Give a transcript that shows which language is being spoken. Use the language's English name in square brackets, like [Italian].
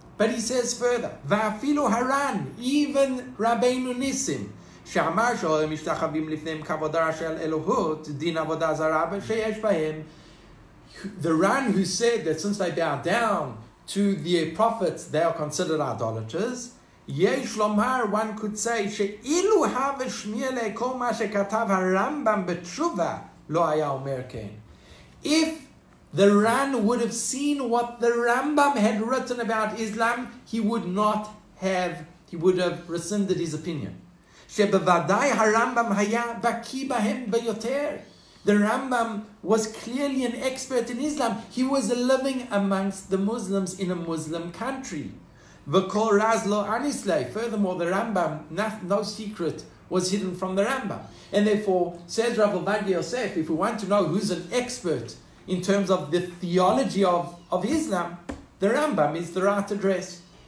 [English] But he says further, Va'afilu haran, even Rabbeinu Nissim, [Hebrew] שאמר שהם משתחווים לפניהם כעבודה של אלוהות, דין עבודה זרה, ושיש בהם. [English] The Ran who said that since they bow down to the prophets, they are considered idolaters. [Hebrew] יש לומר, [English] one could say, [Hebrew] שאילו הווה שמיע לכל מה שכתב הרמב״ם בתשובה, לא היה אומר כן. [English] If the Ran would have seen what the Rambam had written about Islam, he would have rescinded his opinion. [Hebrew] שבוודאי הרמב״ם היה בקי בהם ביותר. [English] The Rambam was clearly an expert in Islam. He was living amongst the Muslims in a Muslim country. [Hebrew] וכל רז לא אניסלי. [English] Furthermore, the Rambam, no secret was hidden from the Rambam. And therefore, says Rav Ovadia Yosef, if we want to know who's an expert in terms of the theology of Islam, the Rambam is the right address.